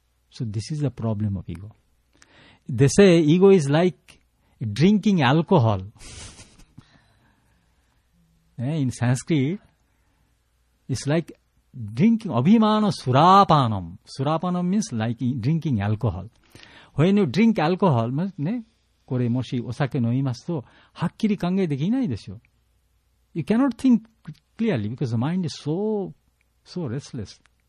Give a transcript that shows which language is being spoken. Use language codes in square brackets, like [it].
[en] So this is the problem of ego. They say ego is like drinking alcohol. In Sanskrit, it's like drinking abhimana surapanam. Surapanam means like drinking alcohol. When you drink alcohol, [ja] これもしお酒飲みますとはっきり考えできないでしょ。 [en] You cannot think clearly because the mind is so, so restless.